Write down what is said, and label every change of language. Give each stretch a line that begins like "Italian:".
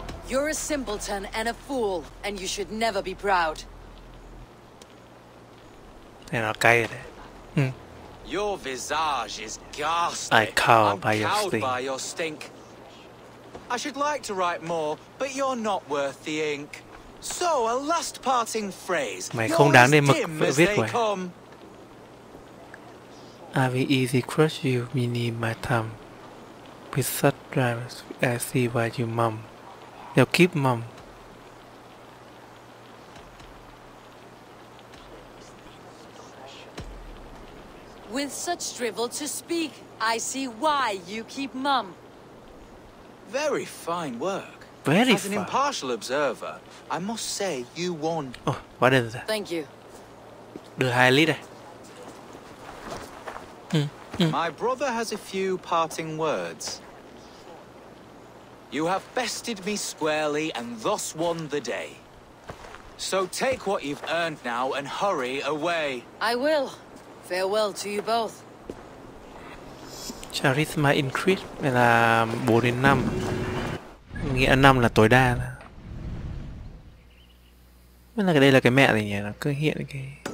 English: You're a simpleton and a fool, and you should never be proud.
Vietnamese: Này nó cay đấy.
English: Your visage is ghastly. I cower by your stink. I should like to write more, but you're not worth the ink. So, a last parting phrase.
Vietnamese: Mày không đáng để mực viết của em.
English: I will easy crush you, meaning my thumb. With such drives, I see why you mum. Now keep mum. With such drivel to speak, I see why you keep mum. Very fine work. Very fine. As an impartial observer, I must say you won. Oh, what is that? Thank you.
Vietnamese: Đưa 2 lít đây.
English: My brother has a few parting words. You have bested me squarely and thus won the day. So take what you've earned now and hurry away. I will. Farewell to you both. Charisma increase
Vietnamese: đây là 4 đến 5. Nghĩa 5 là tối đa. Mới là cái đây là cái mẹ gì nhỉ? Nó cứ hiện cái.